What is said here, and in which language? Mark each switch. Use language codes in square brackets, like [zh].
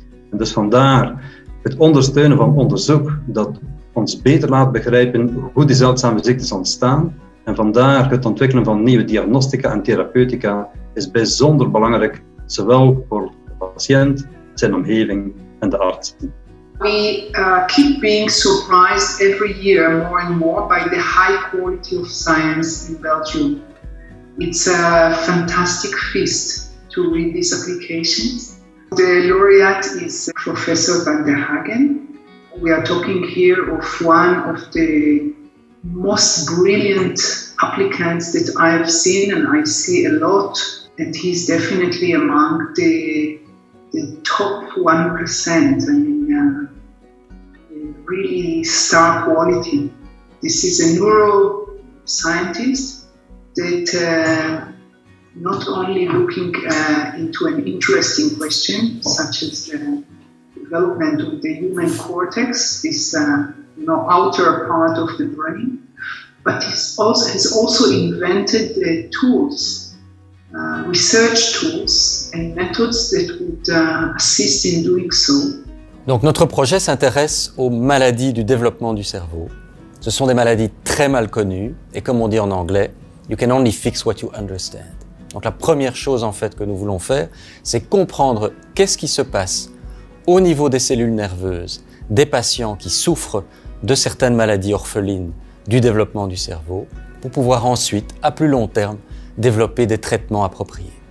[nl] En dus vandaar het ondersteunen van onderzoek dat ons beter laat begrijpen hoe die zeldzame ziektes ontstaan. En vandaar het ontwikkelen van nieuwe diagnostica en therapeutica is bijzonder belangrijk, zowel voor de patiënt, zijn omgeving en de arts. [en] We keep being surprised every year more and more by the high quality of science in Belgium. It's a fantastic feast to read these applications. The laureate is Professor Van der Hagen. We are talking here of one of the most brilliant applicants that I have seen, and I see a lot, and he's definitely among the top 1%. I mean, really star quality. This is a neuroscientist that not only looking into an interesting question such as the development of the human cortex, this outer part of the brain, but has also invented the tools, research tools and methods that would assist in doing so. [fr] Donc notre projet s'intéresse aux maladies du développement du cerveau. Ce sont des maladies très mal connues et comme on dit en anglais, [en] you can only fix what you understand. [fr] Donc la première chose en fait que nous voulons faire, c'est comprendre qu'est-ce qui se passe au niveau des cellules nerveuses des patients qui souffrent de certaines maladies orphelines du développement du cerveau pour pouvoir ensuite, à plus long terme, développer des traitements appropriés.